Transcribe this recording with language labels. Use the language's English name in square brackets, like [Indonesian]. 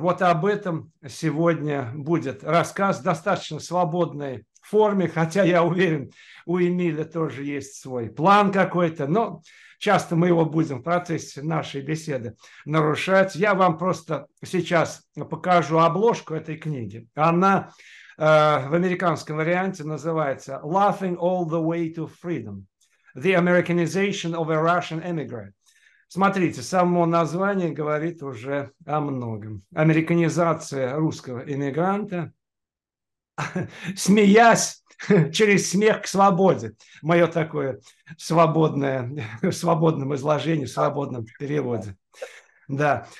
[Russian] Вот об этом сегодня будет рассказ в достаточно свободной форме, хотя я уверен, у Эмиля тоже есть свой план какой-то, но часто мы его будем в процессе нашей беседы нарушать. Я вам просто сейчас покажу обложку этой книги. Она в американском варианте называется [English] «Laughing all the way to freedom. The Americanization of a Russian immigrant». [Russian] Смотрите, само название говорит уже о многом. Американизация русского иммигранта. Смеясь через смех к свободе. Мое такое свободное, в свободном изложении, в свободном переводе. Да.